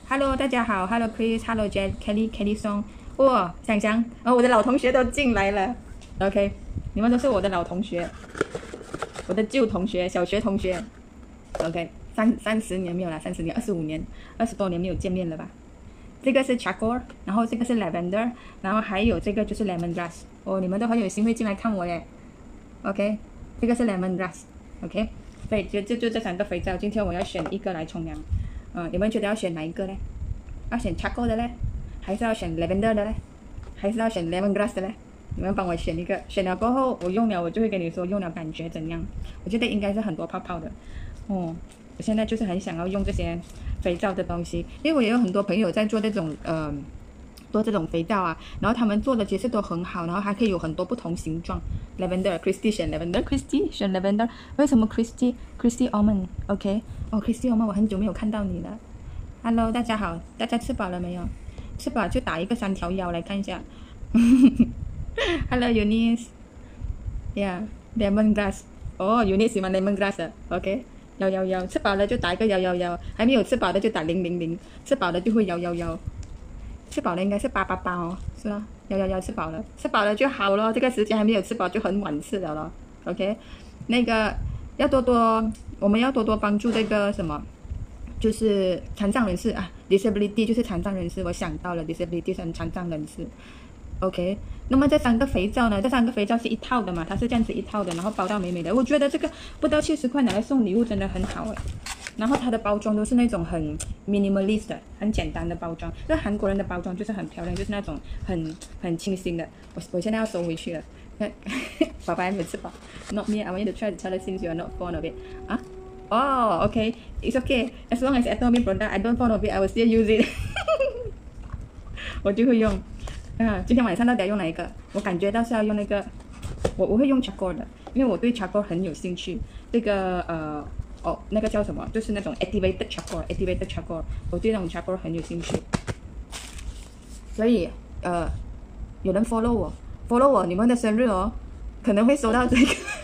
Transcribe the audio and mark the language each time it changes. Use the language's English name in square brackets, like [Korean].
[Chinese] Hello， 大家好 ，Hello Chris，Hello Jack，Kelly Song， 哇、哦，想想、哦，我的老同学都进来了 ，OK， 你们都是我的老同学，我的旧同学，小学同学 ，OK， 三十年没有了，二十多年没有见面了吧？这个是 charcoal， 然后这个是 lavender， 然后还有这个就是 lemongrass。哦，你们都很有心会进来看我耶。 OK， 这个是 lemongrass。 OK， 对，就这三个肥皂今天我要选一个来冲凉。你们觉得要选哪一个呢？要选 charcoal 的呢，还是要选 lavender 的呢，还是要选 lemongrass 的呢？你们帮我选一个，选了过后我用了我就会跟你说用了感觉怎样。我觉得应该是很多泡泡的哦，我现在就是很想要用这些肥皂的东西，因为我也有很多朋友在做这种多这种肥皂啊，然后他们做的其实都很好，然后还可以有很多不同形状。 Lavender, Christy 选 Lavender, Christy 选 Lavender, 为什么 Christy? Christy Orman, OK? 哦、oh, Christy Orman, 我很久没有看到你了。 Hello, 大家好，大家吃饱了没有？吃饱就打一个三条腰来看一下。 [English] Hello, Eunice. Yeah, Lemongrass. [Chinese] 哦、oh, Eunice 喜欢 Lemongrass, OK? 幺幺幺，吃饱了就打一个幺幺幺，还没有吃饱的就打零零零，吃饱了就会幺幺幺，吃饱了应该是八八八哦，是吧？幺幺幺吃饱了，吃饱了就好了，这个时间还没有吃饱就很晚吃了咯 ，OK？那个要多多，我们要多多帮助这个什么，就是残障人士啊 ，disability 就是残障人士，我想到了 disability 是残障人士 ，OK？那么这三个肥皂呢，这三个肥皂是一套的嘛，它是这样子一套的，然后包到美美的，我觉得这个不到70块拿来送礼物真的很好耶。然后它的包装都是那种很 minimalist 的，很简单的包装，这韩国人的包装就是很漂亮，就是那种很清新的。我现在要收回去了，宝宝还没吃饱。 [English] Not me, I want you to try to tell it since you are not fond of it. [Chinese] 啊？ [English] 哦、oh, OK, it's OK, as long as I don't mean product, I don't fond of it, I will still use it. [Chinese] 我就会用今天晚上到底要用哪一个，我感觉到是要用那个，我会用 charcoal 的，因为我对 charcoal 很有兴趣，这个哦那个叫什么，就是那种 activated charcoal, activated charcoal, 我对那种 charcoal 很有兴趣，所以有人 follow 我 follow 我你们的生日哦，可能会收到这个。